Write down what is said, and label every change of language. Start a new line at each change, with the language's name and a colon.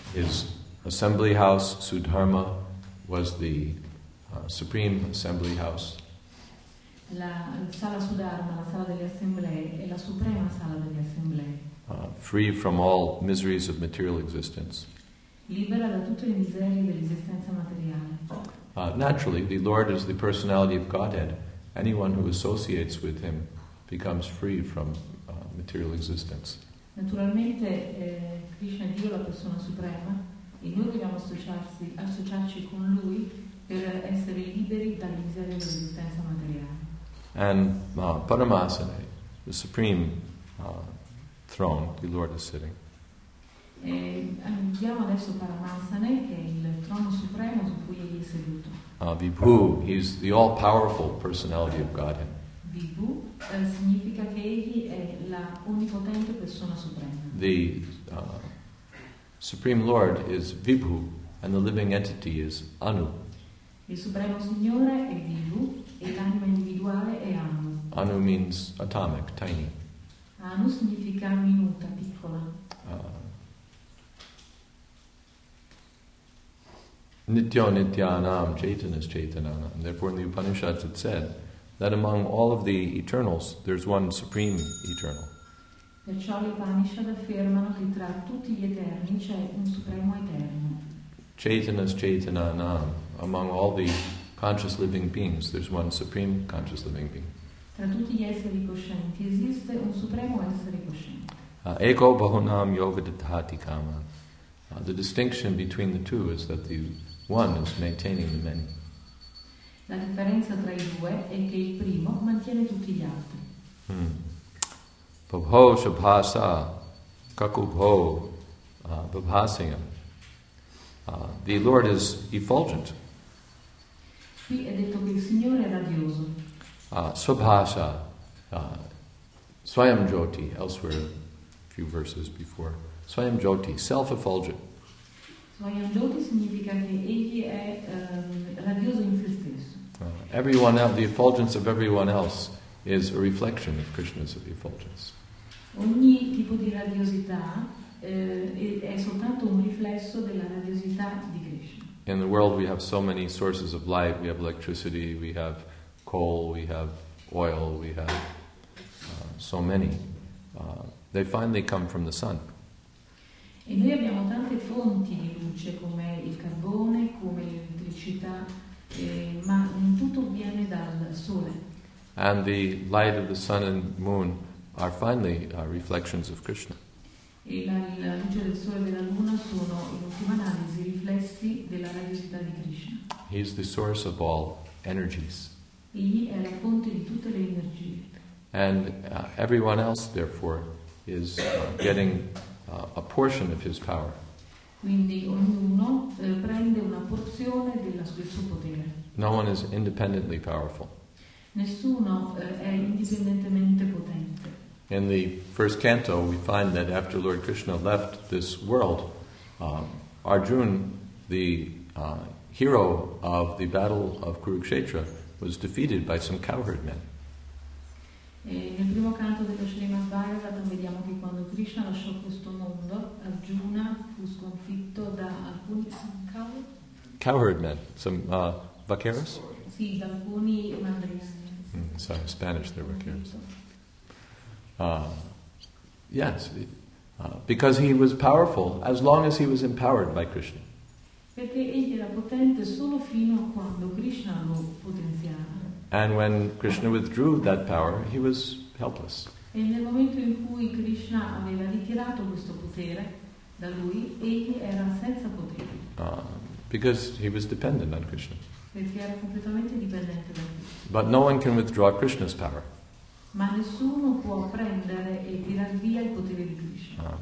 English: His assembly house, Sudharma, was the supreme assembly house.
Italian: La sala Sudharma, la sala delle assemblee, è la suprema sala delle assemblee.
English: Free from all miseries of material existence.
Italian: Libera da tutte le miserie dell'esistenza materiale.
English: Naturally, the Lord is the personality of Godhead. Anyone who associates with him becomes free from material existence.
Italian: Naturalmente, Krishna è Dio, la persona suprema, e noi dobbiamo associarci con lui per essere liberi dalle miserie dell'esistenza materiale.
English: And Padmasana, the supreme throne, the Lord is sitting.
Italian: Andiamo adesso a Padmasana, che è il trono supremo su cui egli è seduto.
English: Vibhu, he's the all-powerful personality of Godhead.
Italian: Vibhu significa che egli è la onnipotente persona suprema.
English: The supreme Lord is Vibhu, and the living entity is Anu.
Italian: Il supremo signore è Vibhu, e l'anima individuale è Anu.
English: Anu means atomic, tiny.
Italian: Anu significa minuta, piccola.
Sanskrit: Nityo nityanam chaitanas chaitanam.
English: Therefore in the Upanishads it said that among all of the eternals there's one supreme eternal.
Italian: Perciò le Upanishad affermano che tra tutti gli eterni c'è un supremo eterno.
Sanskrit: Chaitanas chaitanam.
English: Among all the conscious living beings there's one supreme conscious living being.
Italian: Tra tutti gli esseri coscienti esiste un supremo essere cosciente.
Sanskrit: Eko bahunam yovidatati kama.
English: The distinction between the two is that the one is maintaining the many.
Italian: La differenza tra i due è che il primo mantiene tutti gli altri.
Sanskrit: Babho shabhasa kakubho babhasingam.
English: The Lord is effulgent.
Italian: Qui è detto che il Signore è radioso.
Sanskrit: Shabhasa swayam jyoti,
English: elsewhere a few verses before.
Sanskrit: Swayam jyoti,
English: self-effulgent.
Italian: Swayam jyoti significa che egli è radioso in se stesso.
English: Everyone else, the effulgence of everyone else is a reflection of Krishna's effulgence.
Italian: Ogni tipo di radiosità è soltanto un riflesso della radiosità di Krishna.
English: In the world we have so many sources of light. We have electricity, we have coal, we have oil, we have so many. They finally come from the sun.
Italian: E noi abbiamo tante fonti di luce, come il carbone, come l'elettricità, ma tutto viene dal sole.
English: And the light of the sun and moon are finally reflections of Krishna.
Italian: E la luce del sole e della luna sono, in ultima analisi, riflessi della radiosità di Krishna.
English: He is the source of all energies.
Italian: Egli è la fonte di tutte le energie.
English: And everyone else, therefore, is getting a portion of his power.
Italian: Quindi ognuno prende una porzione del suo potere.
English: No one is independently powerful.
Italian: Nessuno è indipendentemente potente.
English: In the first canto we find that after Lord Krishna left this world, Arjuna, the hero of the battle of Kurukshetra, was defeated by some cowherd men.
Italian: Nel primo canto dello Srimad Bhagavatam vediamo che quando Krishna lasciò questo mondo, Arjuna fu sconfitto da alcuni
English: cowherd men, some vaqueros?
Italian: Sì, da alcuni mandrilli.
English: Sorry, Spanish, they're vaqueros. Yes, because he was powerful as long as he was empowered by Krishna.
Italian: Perché egli era potente solo fino a quando Krishna lo potenziava.
English: And when Krishna withdrew that power, he was helpless.
Italian: E nel momento in cui Krishna aveva ritirato questo potere da lui, egli era senza potere.
English: Because he was dependent on Krishna.
Italian: Perché era completamente dipendente da lui.
English: But no one can withdraw Krishna's power.
Italian: Ma nessuno può prendere e tirar via il potere di Krishna.